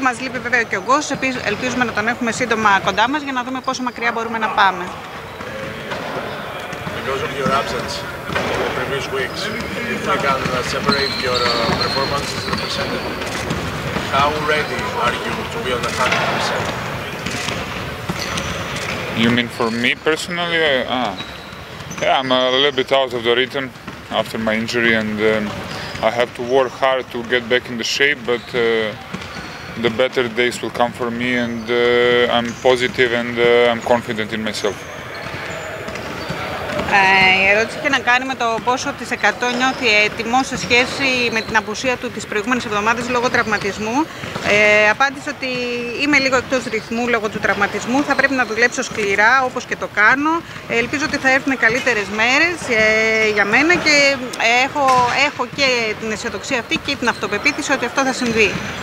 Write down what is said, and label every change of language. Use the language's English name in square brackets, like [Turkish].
[Greek] Μας λείπει βέβαια και ο Goss. Ελπίζουμε να τον έχουμε σύντομα κοντά μας για να δούμε πόσο μακριά μπορούμε να πάμε. [English] Because of your absence in the previous weeks, if you can separate your performances in the percentage, how ready are you to be on the 100%? You mean for me personally? Yeah, I'm a little bit out of the rhythm after my injury, and I have to work hard to get back in the shape, but the better days will come for me, and I'm positive and I'm confident in myself. [Greek] Η ερώτηση είχε να κάνει με το πόσο της 100 νιώθει έτοιμο σε σχέση με την απουσία του τις προηγούμενες εβδομάδες λόγω τραυματισμού. Απάντησε ότι είμαι λίγο εκτός ρυθμού λόγω του τραυματισμού, θα πρέπει να δουλέψω σκληρά όπως και το κάνω. Ελπίζω ότι θα έρθουν καλύτερες μέρες για μένα και έχω και την αισιοδοξία αυτή και την αυτοπεποίθηση ότι αυτό θα συμβεί.